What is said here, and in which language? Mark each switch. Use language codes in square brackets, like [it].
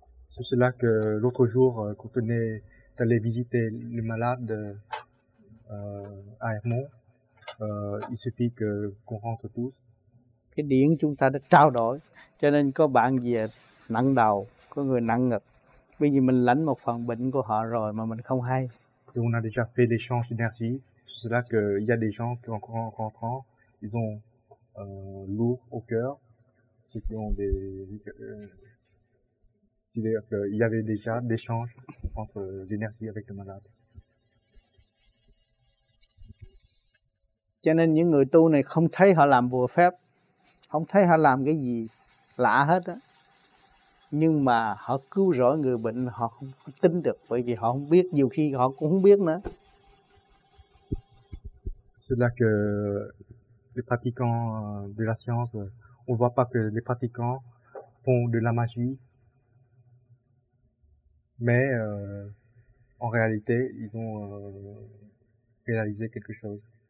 [fr] C'est cela que l'autre jour, quand on est allé visiter le malade à Hermont, il suffit qu'on rentre tous. [vi] Cái điển chúng ta đã trao đổi, cho nên có bạn gì nặng đầu, có người nặng ngực. Bởi vì mình lãnh một phần bệnh của họ rồi mà mình không hay. [fr] Et on a déjà fait l'échange d'énergie, c'est cela qu'il y a des gens qui encore en rentrant, ils ont lourd au cœur, ceux qui ont des... C'est-à-dire qu'il y avait déjà des échanges entre l'énergie avec le malade. [vi] Cho nên những người tu này không thấy họ làm bùa phép, không thấy họ làm cái gì lạ hết á. Nhưng mà họ cứu rỗi người bệnh họ không tin được, bởi vì họ không biết, nhiều khi họ cũng không biết nữa. [fr] C'est là que les pratiquants de la science, on voit pas que les pratiquants font de la magie. Mais en réalité, ils ont réalisé quelque chose.